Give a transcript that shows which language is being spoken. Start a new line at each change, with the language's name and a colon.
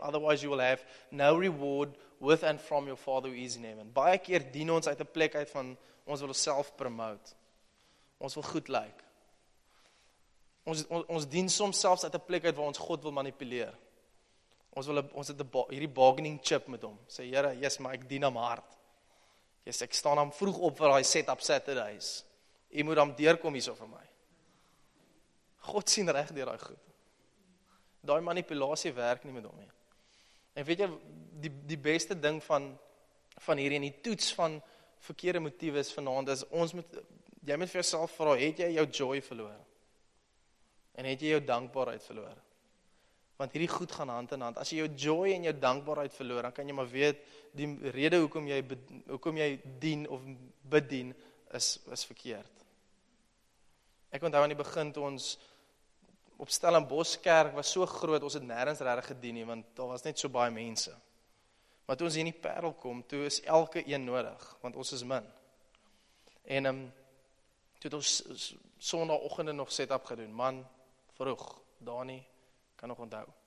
English: Otherwise you will have no reward with and from your Father who is in heaven.
Afrikaans: Baie keer dien ons uit 'n plek uit van, ons wil onsself promote. Ons wil goed lyk. Ons dien soms selfs uit 'n plek uit waar ons God wil manipuleer. Ons het hierdie bargaining chip met hom. Sê, Here, yes, maar ek dien hom hard. Yes, ek staan hom vroeg op vir daai setup Saturdays. Jy moet hom deurkom hierso vir my. God sien reg deur daai goed. Daai manipulasie werk nie met hom nie. En weet jy, die beste ding van hierdie, en die toets van verkeerde motief is vanaand, is jy moet vir jouself vra, het jy jou joy verloor? En het jy jou dankbaarheid verloor? Want hierdie goed gaan hand in hand. As jy jou joy en jou dankbaarheid verloor, dan kan jy maar weet, die rede hoekom jy dien of bedien, is verkeerd. Ek onthou aan die begin, toe ons op Stellenbosch kerk was so groot, ons het nêrens regtig gedien nie, want daar was net so baie mense. Maar toe ons hier in die Parel kom, toe is elke een nodig, want ons is min. En toe het ons sonnaoggende nog setup gedoen, man, vroeg, Dani, kan nog onthou.